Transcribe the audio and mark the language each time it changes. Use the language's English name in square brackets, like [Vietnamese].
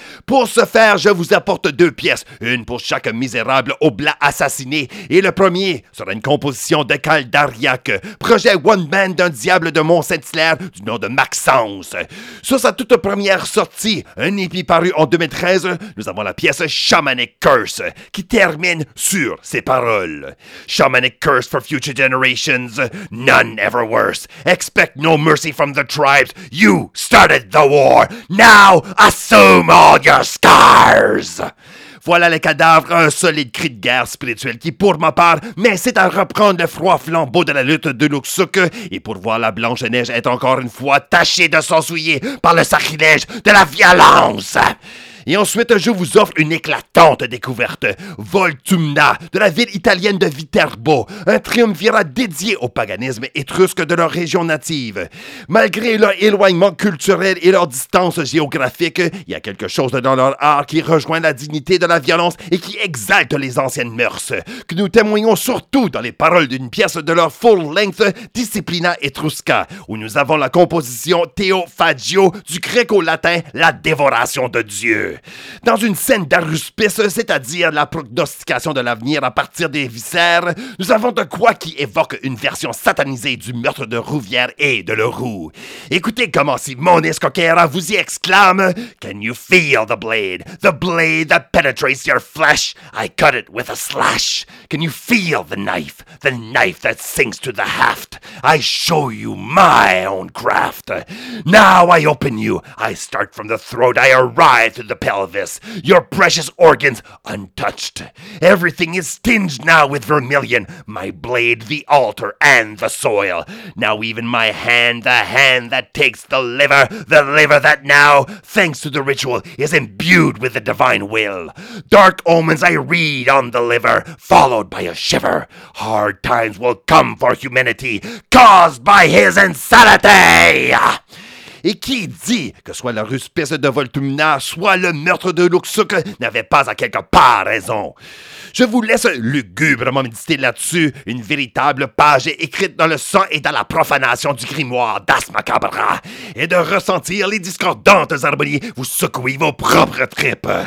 [French] Pour ce faire, je vous apporte deux pièces, une pour chaque misérable oblat assassiné, et le premier sera une composition de Cal Dariac, projet one-man d'un diable de Mont-Saint-Hilaire du nom de Maxence. Sur sa toute première sortie, un EP paru en 2013, nous avons la pièce Shamanic Curse, qui termine sur ces paroles. [English] Shamanic Curse for future generations, none ever worse. Expect no mercy from the tribes. You started the war. Now assume all your scars! [French] Voilà les cadavres, un solide cri de guerre spirituelle qui, pour ma part, m'incite à reprendre le froid flambeau de la lutte de Ulugsuk et pour voir la blanche neige être encore une fois tachée de sang souillé par le sacrilège de la violence! Et ensuite, je vous offre une éclatante découverte, Voltumna, de la ville italienne de Viterbo, un triumvirat dédié au paganisme étrusque de leur région native. Malgré leur éloignement culturel et leur distance géographique, il y a quelque chose dans leur art qui rejoint la dignité de la violence et qui exalte les anciennes mœurs, que nous témoignons surtout dans les paroles d'une pièce de leur full-length Disciplina Etrusca, où nous avons la composition Théophagio du gréco-latin La Dévoration de Dieu. Dans une scène d'aruspice, c'est-à-dire la prognostication de l'avenir à partir des viscères, nous avons de quoi qui évoque une version satanisée du meurtre de Rouvière et de Leroux. Écoutez comment Simone Scocchera vous y exclame « [English] Can you feel the blade? The blade that penetrates your flesh? I cut it with a slash. Can you feel the knife? The knife that sinks to the haft? I show you my own craft. Now I open you. I start from the throat. I arrive to the pelvis, your precious organs untouched. Everything is tinged now with vermilion, my blade, the altar, and the soil. Now even my hand, the hand that takes the liver that now, thanks to the ritual, is imbued with the divine will. Dark omens I read on the liver, followed by a shiver. Hard times will come for humanity, caused by his insanity! [French] Et qui dit que soit la ruspice de Voltumna, soit le meurtre de Ulugsuk n'avait pas à quelque part raison. Je vous laisse lugubrement méditer là-dessus, une véritable page écrite dans le sang et dans la profanation du grimoire d'As Macabre, et de ressentir les discordantes harmonies vous secouer vos propres tripes.